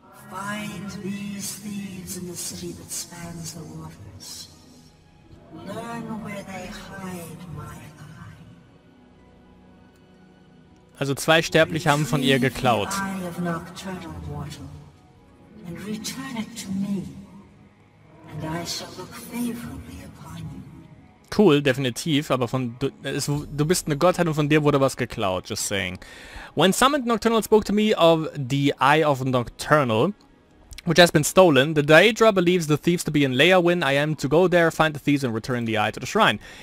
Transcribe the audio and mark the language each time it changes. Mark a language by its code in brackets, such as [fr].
[en] Find these thieves in the city that spans the waters. Learn where they hide my eye. [de] Also zwei Sterbliche haben von ihr geklaut. [en] Retrieve the eye of Nocturnal Water and return it to me. And I shall look favorably upon you. [de] Cool, definitiv, aber von du bist eine Gottheit und von dir wurde was geklaut, [en] just saying. When summoned, Nocturnal spoke to me of the Eye of Nocturnal, which has been stolen. The Daedra believes the thieves to be in Leowen. I am to go there, find the thieves and return the eye to the shrine.